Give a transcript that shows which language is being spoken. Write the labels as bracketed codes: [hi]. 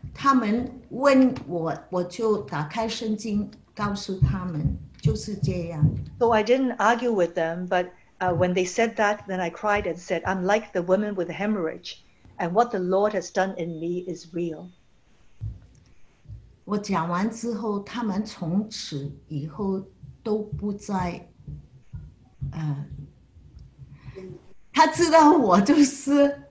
[zh] 他们问我，我就打开圣经告诉他们，就是这样。 [en] So I didn't argue with them, but when they said that, then I cried and said, I'm like the woman with the hemorrhage, and what the Lord has done in me is real. [zh] 我讲完之后，他们从此以后都不再，他知道我就是。